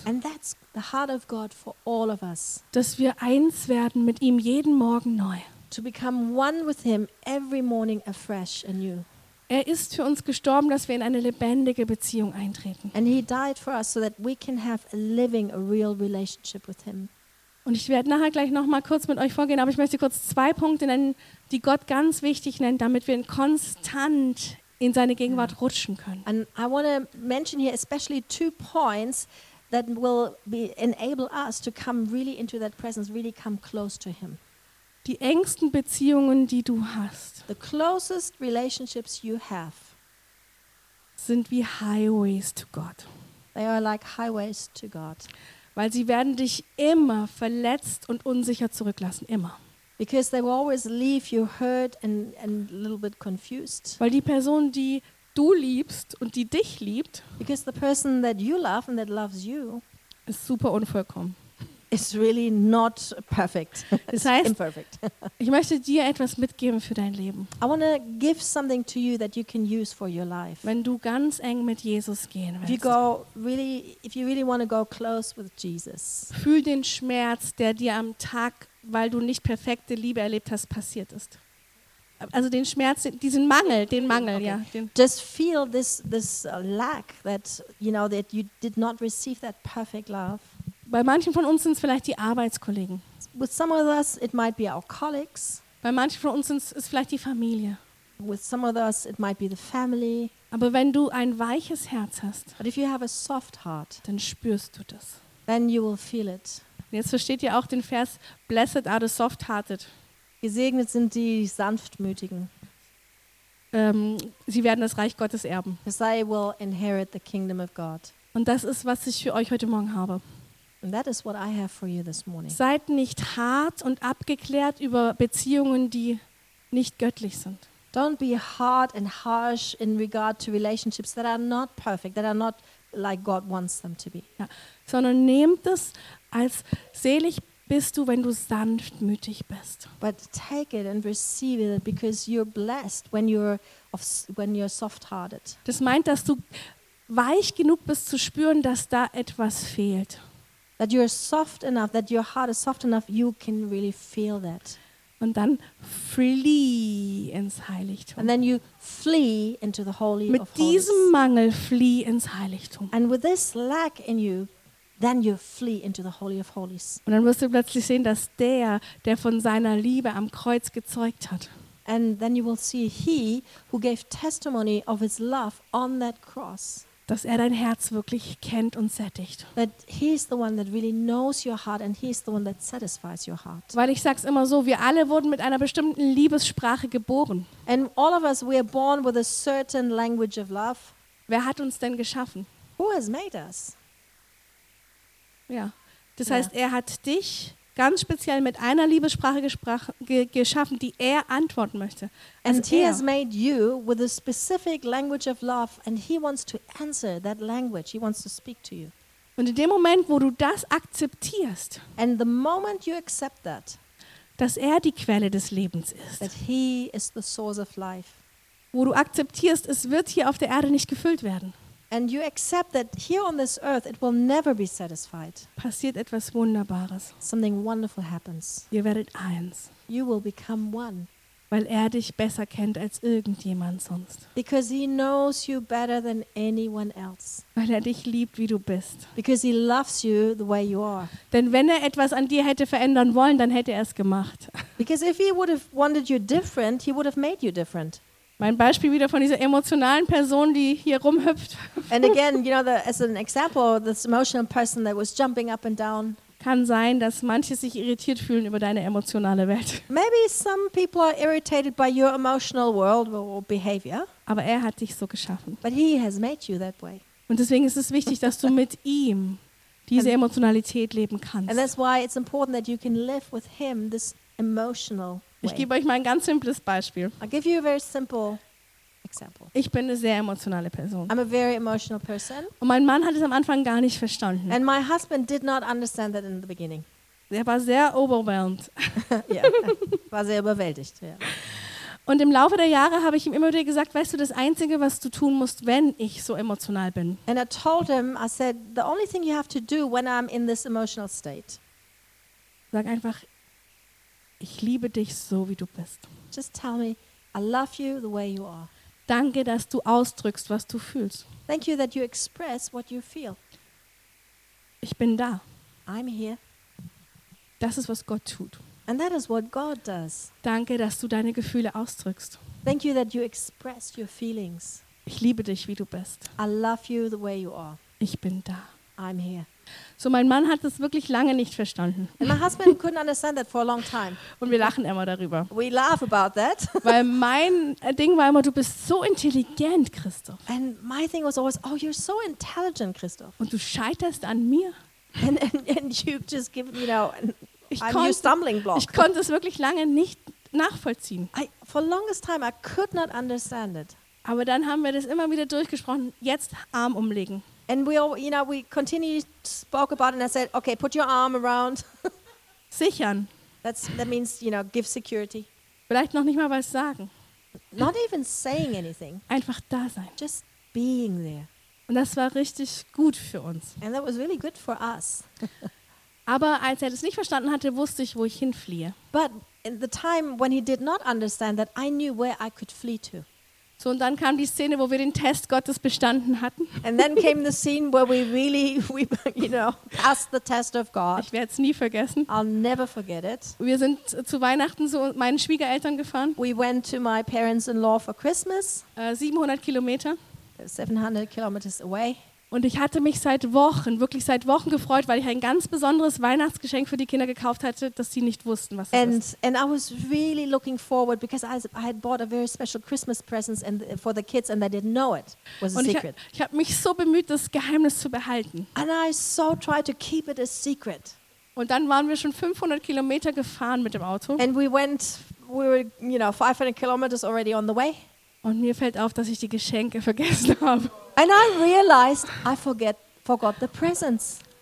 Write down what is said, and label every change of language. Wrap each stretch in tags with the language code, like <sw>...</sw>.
<en>And that's the heart of God for all of us.</en> <de>Dass wir eins werden mit ihm jeden Morgen neu.</de> <en>To become one with him every morning afresh anew.</en> <de>Er ist für uns gestorben, dass wir in eine lebendige Beziehung eintreten.</de> <en>And he died for us so that we can have a living, a real relationship with him.</en> <de>Und ich werde nachher gleich noch mal kurz mit euch vorgehen, aber ich möchte kurz zwei Punkte nennen, die Gott ganz wichtig nennt, damit wir ihn konstant in seine Gegenwart rutschen können.</de> <en>And I want to mention here especially two points that will be enable us to come really into that presence, really come close to him.</en> <de>Die engsten Beziehungen, die du hast,</de> <en>the closest relationships you have,</en> <de>sind wie</de> <en>Highways to God. They are like highways to God.</en> <de>Weil sie werden dich immer verletzt und unsicher zurücklassen, immer.</de> <en>Because they will always leave you hurt and a little bit confused.</en> <de>Weil die Person, die du liebst und die dich liebt,</de> <en>because the person that you love and that loves you,</en> <de>ist super unvollkommen.</de> <en>It's really not perfect.</en> <de>Das heißt, imperfect. Ich möchte dir etwas mitgeben für dein Leben.</de> <en>I want to give something to you that you can use for your life.</en> <de>Wenn du ganz eng mit Jesus gehen willst.</de> <en>If you really want to go close with Jesus.</en> <de>Fühl den Schmerz, der dir am Tag, weil du nicht perfekte Liebe erlebt hast, passiert ist. Also den Schmerz, diesen Mangel, okay. Ja.</de> <en>Just feel this lack that you know that you did not receive that perfect love.</en> <de>Bei manchen von uns sind es vielleicht die Arbeitskollegen.</de> <en>With some of us, it might be our colleagues.</en> <de>Bei manchen von uns ist es vielleicht die Familie.</de> <en>With some of us, it might be the family.</en> <de>Aber wenn du ein weiches Herz hast,</de> <en>but if you have a soft heart,</en> <de>dann spürst du das.</de> <en>Then you will feel it.</en> <de>Jetzt versteht ihr auch den Vers,</de> <en>blessed are the soft-hearted.</en> <de>Gesegnet sind die Sanftmütigen. Sie werden das Reich Gottes erben.</de> <en>Because they will inherit the kingdom of God.</en> <de>Und das ist, was ich für euch heute Morgen habe.</de> <en>And that is what I have for you this morning.</en> <de>Seid nicht hart und abgeklärt über Beziehungen, die nicht göttlich sind.</de> <en>Don't be hard and harsh in regard to relationships that are not perfect, that are not like God wants them to be.</en> <de>Ja. Sondern nehmt es als selig bist du, wenn du sanftmütig bist.</de> <en>But take it and receive it because you're blessed when you're soft-hearted.</en> <de>Das meint, dass du weich genug bist zu spüren, dass da etwas fehlt.</de> <en>That you're soft enough, that your heart is soft enough, you can really feel that.</en> <de>Und dann flee ins Heiligtum.</de> <en>And then you flee into the Holy</en> <de>mit</de> <en>of Holies.</en> <de>Mit diesem Mangel flee ins Heiligtum.</de> <en>And with this lack in you, then you flee into the Holy of Holies.</en> <de>Und dann wirst du plötzlich sehen, dass der von seiner Liebe am Kreuz gezeugt hat.</de> <en>And then you will see he who gave testimony of his love on that cross.</en> <de>Dass dein Herz wirklich kennt und sättigt.</de> <en>That he is the one that really knows your heart and he is the one that satisfies your heart.</en> <de>Weil ich sag's immer so, wir alle wurden mit einer bestimmten Liebessprache geboren.</de> <en>And all of us we are born with a certain language of love.</en> <de>Wer hat uns denn geschaffen?</de> <en>Who has made us?</en> <de>Ja. Das heißt, er hat dich ganz speziell mit einer Liebessprache geschaffen, die er antworten möchte.</de> <en>And he has made you with a specific language of love and he wants to answer that language. He wants to speak to you.</en> <de>Und in dem Moment, wo du das akzeptierst,</de> <en>and the moment you accept that,</en> <de>dass er die Quelle des Lebens ist,</de> <en>that he is the source of life,</en> <de>wo du akzeptierst, es wird hier auf der Erde nicht gefüllt werden,</de> <en>and you accept that here on this earth it will never be satisfied.</en> <de>Passiert etwas Wunderbares.</de> <en>Something wonderful happens.</en> <de>Ihr werdet eins.</de> <en>You will become one.</en> <de>Weil er dich besser kennt als irgendjemand sonst.</de> <en>Because he knows you better than anyone else.</en> <de>Weil er dich liebt, wie du bist.</de> <en>Because he loves you the way you are.</en> <de>Denn wenn er etwas an dir hätte verändern wollen, dann hätte er es gemacht.</de> <en>Because if he would have wanted you different, he would have made you different.</en> <de>Mein Beispiel wieder von dieser emotionalen Person, die hier rumhüpft.</de> <en>And again, you know, the, as an example, this emotional person that was jumping up and down.</en> <de>Kann sein, dass manche sich irritiert fühlen über deine emotionale Welt.</de> <en>Maybe some people are irritated by your emotional world or behavior.</en> <de>Aber er hat dich so geschaffen.</de> <en>But he has made you that way.</en> <de>Und deswegen ist es wichtig, dass du mit ihm diese Emotionalität leben kannst.</de> <en>And that's why it's important that you can live with him this emotional way.</en> <de>Ich gebe euch mal ein ganz simples Beispiel.</de> <en>I'll give you a very simple example.</en> <de>Ich bin eine sehr emotionale Person.</de> <en>I'm a very emotional person.</en> <de>Und mein Mann hat es am Anfang gar nicht verstanden.</de> <en>And my husband did not understand that in the beginning.</en> <de>Er war sehr overwhelmed. Ja, war sehr überwältigt. Ja. Und im Laufe der Jahre habe ich ihm immer wieder gesagt, weißt du, das Einzige, was du tun musst, wenn ich so emotional bin.</de> <en>And I told him, I said, the only thing you have to do when I'm in this emotional state.</en> <de>Sag einfach, ich liebe dich so, wie du bist.</de> <en>Just tell me, I love you the way you are.</en> <de>Danke, dass du ausdrückst, was du fühlst.</de> <en>Thank you that you express what you feel.</en> <de>Ich bin da.</de> <en>I'm here.</en> <de>Das ist, was Gott tut.</de> <en>And that is what God does.</en> <de>Danke, dass du deine Gefühle ausdrückst.</de> <en>Thank you that you express your feelings.</en> <de>Ich liebe dich, wie du bist.</de> <en>I love you the way you are.</en> <de>Ich bin da.</de> <en>I'm here.</en> <de>So, mein Mann hat es wirklich lange nicht verstanden.</de> <en>And my husband couldn't understand that for a long time.</en> <de>Und wir lachen immer darüber.</de> <en>We laugh about that.</en> <de>Weil mein Ding war immer, du bist so intelligent, Christoph.</de> <en>And my thing was always, oh, you're so intelligent, Christoph.</en> <de>Und du scheiterst an mir.</de> <en>And you just give, you know, I'm your stumbling block.</en> <de>Ich konnte es wirklich lange nicht nachvollziehen.</de> <en>For the longest time, I could not understand it.</en> <de>Aber dann haben wir das immer wieder durchgesprochen. Jetzt Arm umlegen.</de> <en>And we all, you know, we continued to spoke about it and I said, okay, put your arm around.</en> <de>Sichern.</de> <en>That means, you know, give security.</en> <de>Vielleicht noch nicht mal was sagen.</de> <en>Not even saying anything.</en> <de>Einfach da sein.</de> <en>Just being there.</en> <de>Und das war richtig gut für uns.</de> <en>And that was really good for us.</en> <de>Aber als er das nicht verstanden hatte, wusste ich, wo ich hinfliehe.</de> <en>But in the time when he did not understand that, I knew where I could flee to.</en> <de>So, und dann kam die Szene, wo wir den Test Gottes bestanden hatten.</de> <en>And then came the scene where we really, we, you know, passed the test of God.</en> <de>Ich werde es nie vergessen.</de> <en>I'll never forget it.</en> <de>Wir sind zu Weihnachten zu meinen Schwiegereltern gefahren.</de> <en>We went to my parents-in-law for Christmas.</en> <de>700 Kilometer.</de> <en>700 kilometers away.</en> <de>Und ich hatte mich seit Wochen, wirklich seit Wochen gefreut, weil ich ein ganz besonderes Weihnachtsgeschenk für die Kinder gekauft hatte, dass sie nicht wussten, was es ist.</de> <en>And I was really looking forward because I had bought a very special Christmas present and for the kids and they didn't know it was a</en> <de>und</de> <en>secret.</en> <de>Ich habe mich so bemüht, das Geheimnis zu behalten.</de> <en>And I so tried to keep it a secret.</en> <de>Und dann waren wir schon 500 Kilometer gefahren mit dem Auto.</de> <en>And we were, you know, 500 kilometers already on the way.</en> <de>Und mir fällt auf, dass ich die Geschenke vergessen habe.</de> <en>And I realized I forgot the presents.</en>